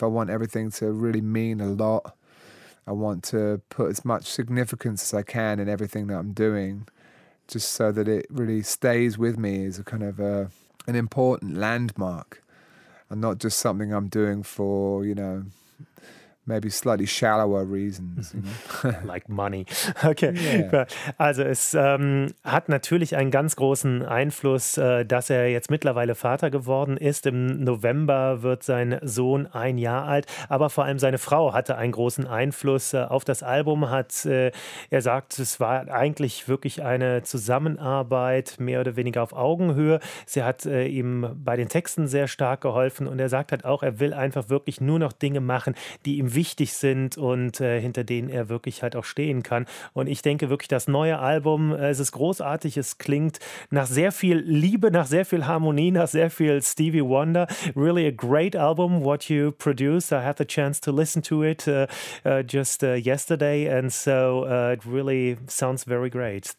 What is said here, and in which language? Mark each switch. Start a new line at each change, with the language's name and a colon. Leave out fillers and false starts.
English: I want everything to really mean a lot. I want to put as much significance as I can in everything that I'm doing, just so that it really stays with me as a kind of an important landmark, and not just something I'm doing for, you know, maybe slightly shallower reasons. Like money. Okay. Yeah.
German: Also es hat natürlich einen ganz großen Einfluss, dass er jetzt mittlerweile Vater geworden ist. Im November wird sein Sohn 1 Jahr alt. Aber vor allem seine Frau hatte einen großen Einfluss auf das Album. Er sagt, es war eigentlich wirklich eine Zusammenarbeit, mehr oder weniger auf Augenhöhe. Sie hat ihm bei den Texten sehr stark geholfen. Und er sagt halt auch, er will einfach wirklich nur noch Dinge machen, die ihm wichtig sind und hinter denen er wirklich halt auch stehen kann. Und ich denke wirklich, das neue Album, es ist großartig, es klingt nach sehr viel Liebe, nach sehr viel Harmonie, nach sehr viel Stevie Wonder.
English: Really a great album, what you produced. I had the chance to listen to it just yesterday, and so it really sounds very great.